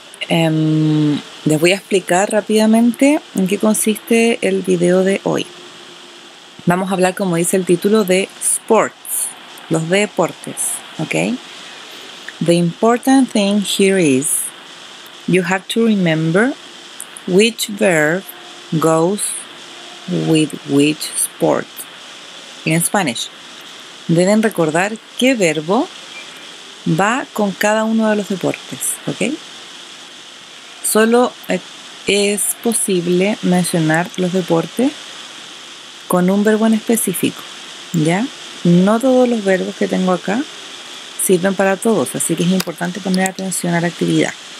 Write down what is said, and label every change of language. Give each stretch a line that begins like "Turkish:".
Spanish: Les voy a explicar rápidamente en qué consiste el video de hoy. Vamos a hablar, como dice el título, de sports, los deportes, ¿ok?
English: The important thing here is you have to remember which verb goes with which sport in Spanish.
Spanish: Deben recordar qué verbo va con cada uno de los deportes, ¿ok? Solo es posible mencionar los deportes con un verbo en específico, ¿ya? No todos los verbos que tengo acá sirven para todos, así que es importante poner atención a la actividad.